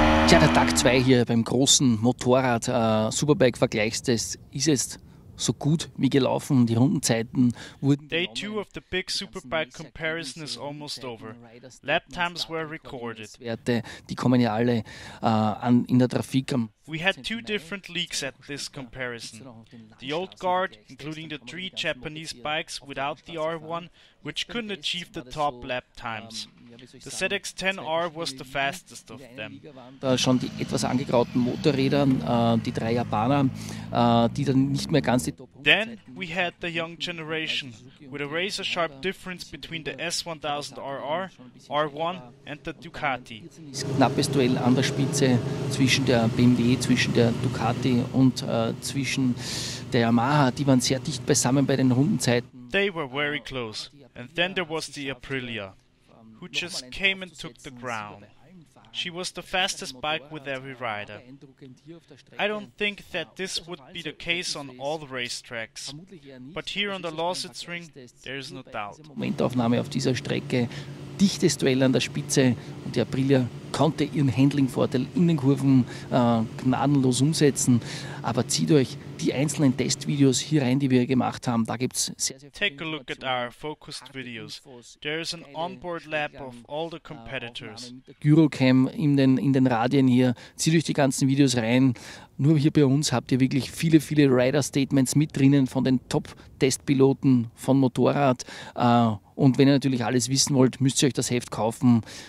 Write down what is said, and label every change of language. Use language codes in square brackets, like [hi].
[de] ja, der Tag 2 hier beim großen Motorrad Superbike Vergleichstest ist jetzt so gut wie gelaufen und die Rundenzeiten wurden. [en] Day 2 of the big Superbike comparison is almost over. Lap times were recorded. [de] Die kommen ja alle an in der Trafik. [en] We had two different leagues at this comparison. The old guard, including the three Japanese bikes without the R1, which couldn't achieve the top lap times. The ZX10R was the fastest of them. [de] Da schon die etwas angegrauten Motorräder, die drei Japaner, die dann nicht mehr ganz die Top. [en] Then we had the young generation, with a razor sharp difference between the S1000RR, R1 and the Ducati. [de] Knappes Duell an der Spitze zwischen der BMW, zwischen der Ducati und zwischen der Yamaha. Die waren sehr dicht beisammen bei den Rundenzeiten. [en] They were very close. And then there was the Aprilia, who just came and took the ground. She was the fastest bike with every rider. I don't think that this would be the case on all the racetracks, but here on the Lausitz Ring, there is no doubt. [de] Momentaufnahme auf dieser Strecke, dichtes Duell an der Spitze und die Aprilia konnte ihren Handling-Vorteil in den Kurven gnadenlos umsetzen. Aber zieht euch die einzelnen Testvideos hier rein, die wir gemacht haben. Da gibt's sehr, sehr. [en] Take a look at our focused videos. There is an onboard lap of all the competitors. [de] Gyrocam in den Radien hier. Zieht euch die ganzen Videos rein. Nur hier bei uns habt ihr wirklich viele, viele Rider-Statements mit drinnen von den Top-Testpiloten von Motorrad. Und wenn ihr natürlich alles wissen wollt, müsst ihr euch das Heft kaufen.